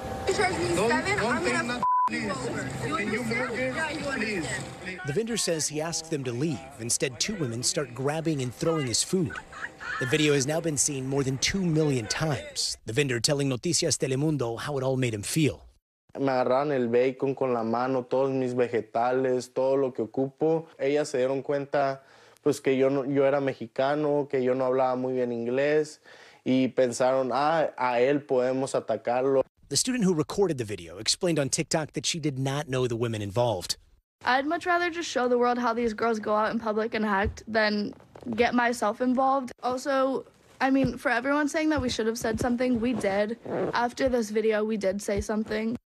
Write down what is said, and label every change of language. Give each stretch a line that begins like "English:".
English: He charged me $7. I'm going to f*** you over. You understand? Yeah, you understand. The vendor says he asked them to leave. Instead, two women start grabbing and throwing his food. The video has now been seen more than 2 million times. The vendor telling Noticias Telemundo how it all made him feel.
Spanish: Me agarraron el bacon con la mano, todos mis vegetales, todo lo que ocupo. Ellas se dieron cuenta pues que yo era mexicano, que yo no hablaba muy bien inglés, y pensaron, a él podemos atacarlo.
English: The student who recorded the video explained on TikTok that she did not know the women involved. I'd much rather just show the world how these girls go out in public and act than get myself involved. Also, I mean, for everyone saying that we should have said something, we did. After this video, we did say something.